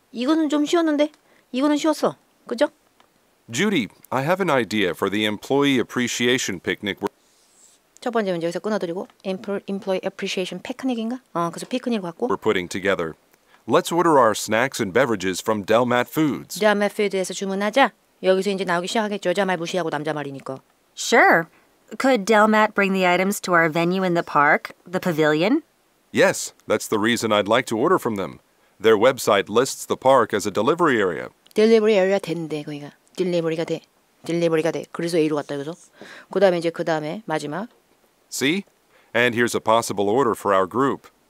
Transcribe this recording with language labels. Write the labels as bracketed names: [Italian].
[Korean] 이거는 좀 쉬웠는데 이거는 쉬웠어 그죠? [English] Judy, I have an idea for the employee appreciation picnic. [Korean] 첫 번째 문제 여기서 끊어드리고 [English] employee appreciation picnic [Korean] 인가? 그래서 picnic을 갖고 [English] We're putting together. Let's order our snacks and beverages from Delmat Foods. [Korean] Delmat Foods에서 주문하자. 여기서 이제 나오기 시작하겠죠. 여자 말 무시하고 남자 말이니까. [English] Sure. Could Delmat bring the items to our venue in the park, the pavilion? Yes, that's the reason I'd like to order from them. Their website lists the park as a delivery area. [Korean] Delivery area 된대, 거기가. Delivery가 돼. Delivery가 돼. 그래서 A로 갔다, 여기서. 그 다음에 이제 그 다음에 마지막. [English] See? And here's a possible order for our group.